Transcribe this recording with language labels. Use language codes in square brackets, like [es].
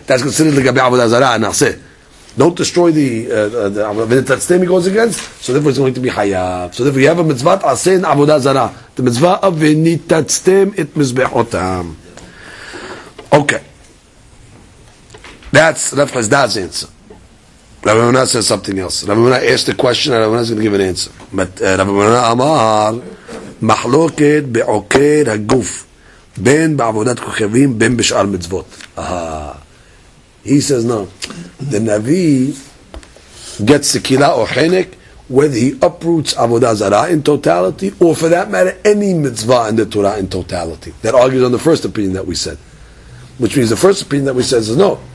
[en] That's considered like a be'avodah zarah and aseh. Don't destroy the that statement goes against, so therefore it's going to be hayav. So therefore you have a mitzvah ta'aseh and avodah zarah. The mitzvah of v'nitatztem et mizbechotam. Okay. That's Rav Hasdah's answer. Rav Hamanah says something else. Rav Hamanah asked the question and Rav Hamanah is going to give an answer. But Rav Hamanah amar, [he] מחלוקת בעוקר הגוף בין בעבודת כוכבים בין בשאר מצוות. [en] He says no. The Navi gets [he] סקילה או חנק [en] whether he uproots עבודה זרה in totality or for that matter any mitzvah in the Torah in totality. That argues on the first opinion that we said. Which means the first opinion that we said is no.